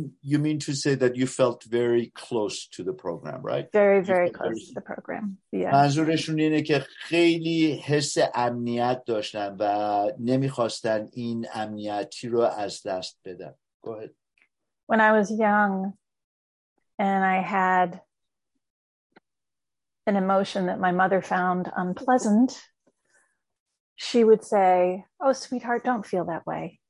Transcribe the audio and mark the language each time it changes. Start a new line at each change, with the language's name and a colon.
English: you mean to say that you felt very close to the program, right? Very close to the program. Yeah.
Persian: منظورشون اینه که خیلی حس امنیت داشتن و نمیخواستن این امنیتی رو از دست بدن.
English: Go ahead. When I was young and I had an emotion that my mother found unpleasant, she would say, "Oh, sweetheart, don't feel that way."